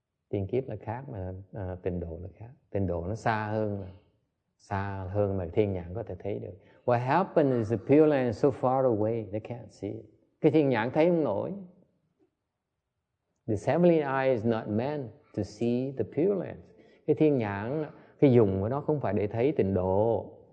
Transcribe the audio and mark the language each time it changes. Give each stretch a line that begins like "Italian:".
Vietnamese: Tiên kiếp là khác mà tình độ là khác. Tình độ nó xa hơn mà thiên nhãn có thể thấy được.
English: What happened is the pure land is so far away they can't see it.
Vietnamese: Cái thiên nhãn thấy không nổi.
English: The heavenly eye is not meant to see the pure land.
Vietnamese: Cái thiên nhãn cái dùng của nó không phải để thấy tình độ.